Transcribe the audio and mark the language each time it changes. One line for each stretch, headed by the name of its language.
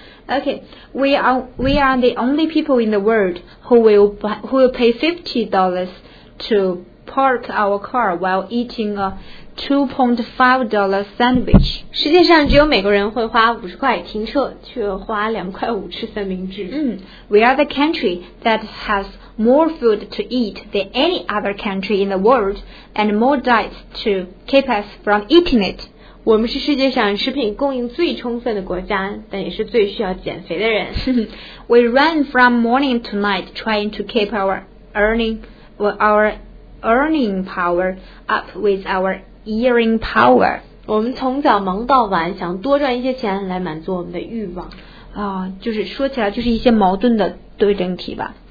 English: Okay, we are the only people in the world who will pay $50 to park our car while eating a $2.5 sandwich.
Chinese: 实际上只有美国人会花50块停车，却花2块5吃三明治。
English: We are the country that has more food to eat than any other country in the world and more diets to keep us from eating it.
Chinese: 我们是世界上食品供应最充分的国家，但也是最需要减肥的人。
English: We run from morning to night trying to keep our earning power up with our earning power.
Chinese: 我们从早忙到晚，想多赚一些钱来满足我们的欲望。啊，就是说起来就是一些矛盾的对等体吧。